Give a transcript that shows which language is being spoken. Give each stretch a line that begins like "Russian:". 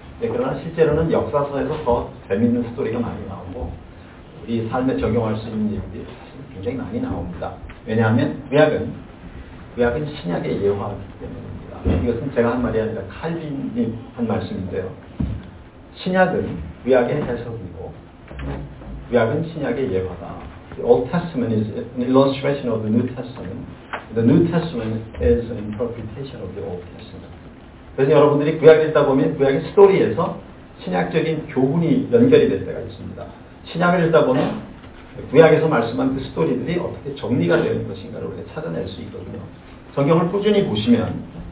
Korean: 네, 그러나 실제로는 역사서에서 더 재밌는 스토리가 많이 나오고 우리 삶에 적용할 수 있는 얘기들이 사실 굉장히 많이 나옵니다. 왜냐하면 구약은 신약의 예화이기 때문입니다. 이것은 제가 한 말이 아니라 칼빈이 한 말씀인데요. 신약은 구약의 해석이고 구약은 신약의 예화다.
English: The Old Testament is an illustration of the New Testament. The New Testament is an interpretation of the Old Testament.
Korean: 그래서 여러분들이 구약을 읽다 보면 구약의 스토리에서 신약적인 교훈이 연결이 될 때가 있습니다. 신약을 읽다 보면 구약에서 말씀한 그 스토리들이 어떻게 정리가 되는 것인가를 우리가 찾아낼 수 있거든요. 성경을 꾸준히 보시면